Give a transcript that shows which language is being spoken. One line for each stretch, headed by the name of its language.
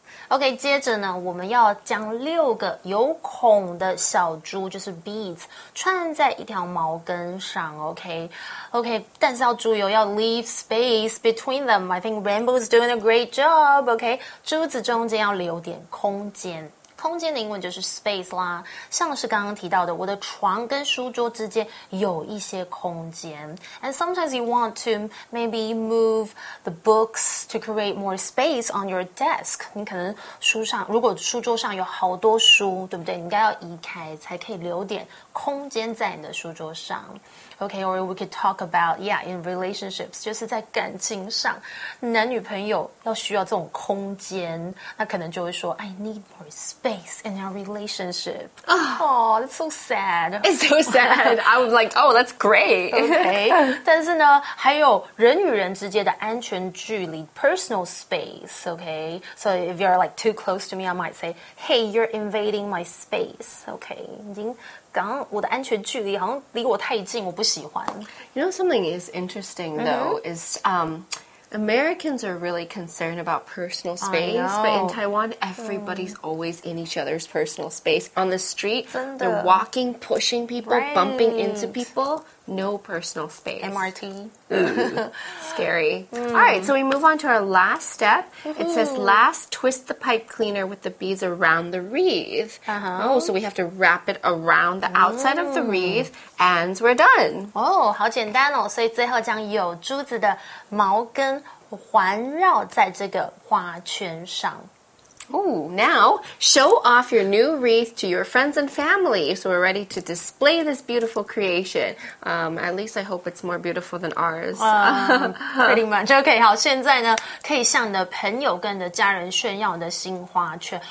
Chinese: OK, 接着呢我们要将六个有孔的小珠就是 beads, 串在一条毛根上 OK? OK, 但是要注意哦要 leave space between them.
English: I think Rainbow's doing a great job, OK?
Chinese: 珠子中间要留点空间。空间的英文就是 space 啦。像是刚刚提到的我的床跟书桌之间有一些空间。
English: And sometimes you want to maybe move the books to create more space on your desk.
Chinese: 你可能书上如果书桌上有好多书对不对你应该要移开才可以留点空间在你的书桌上。 Okay, or we could talk about, yeah, in relationships, 就是在感情上男女朋友要需要这种空间那可能就会说 I need more space in our relationship.
English: Oh, that's so sad. It's so sad. I was like, oh, that's great.
Chinese: Okay, 但是呢还有人与人之间的安全距离 personal space, okay?
English: So if you're like too close to me, I might say, hey, you're invading my space, okay?
Chinese: 已经刚我的安全距离好像离我太近我不喜欢
English: You know something is interesting though、mm-hmm. is Americans are really concerned about personal space but in Taiwan everybody's、mm. always in each other's personal space on the street they're walking pushing people、 right. bumping into people no personal space MRT scary、mm. alright so we move on to our last step、mm-hmm. it says last twist the pipe cleaner with the beads around the wreath、 uh-huh. oh so we have to wrap it around the outside、mm. of the wreath and we're done
Chinese: oh 好简单哦所以最后将有珠子的毛根环绕在这个花圈上
English: Ooh, now show off your new wreath to your friends and family. So we're ready to display this beautiful creation. At least I hope it's more beautiful than ours. pretty much.
Chinese: Okay, 好，现在呢，可以向你的朋友跟你的家人炫耀你的新花圈。